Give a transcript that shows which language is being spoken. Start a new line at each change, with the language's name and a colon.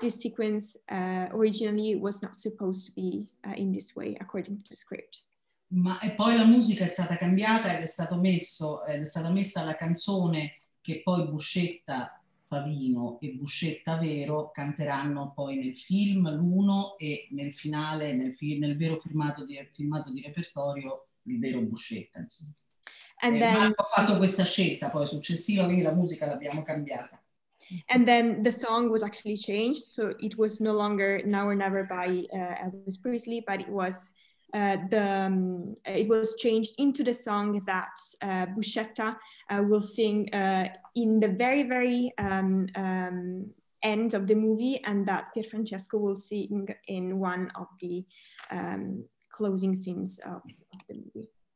English: This sequence originally was not supposed to be in this way according to the script.
Italian: Ma e poi la musica è stata cambiata ed è stata messa la canzone che poi Buscetta Favino e Buscetta Vero canteranno poi nel film, l'uno, e nel finale, nel vero filmato di repertorio, il vero Buscetta, insomma.
English: And then,
Italian: ma ho fatto questa scelta poi successiva, quindi la musica l'abbiamo cambiata.
English: And then the song was actually changed, so it was no longer Now or Never by Elvis Presley, but it was changed into the song that Buscetta will sing in the very, very end of the movie, and that Pierfrancesco will sing in one of the closing scenes of the movie.